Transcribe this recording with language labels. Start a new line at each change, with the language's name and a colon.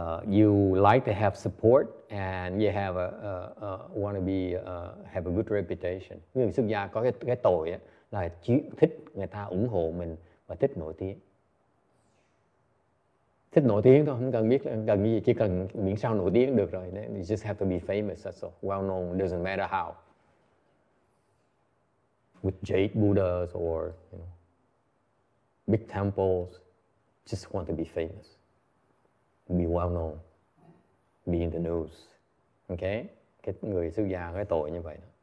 English: You like to have support and you have want to have a good reputation.
Vietnamese: Người xuất gia có cái tội ấy, là thích người ta ủng hộ mình và thích nổi tiếng. Thích nổi tiếng thôi, không cần biết cần gì, chỉ cần miễn sao nổi tiếng được rồi.
English: You just have to be famous, that's all. Well known, doesn't matter how. With jade Buddhas or you know, big temples, just want to be famous, be well known, be in the news, okay?
Vietnamese: Cái người xuất gia cái tội như vậy.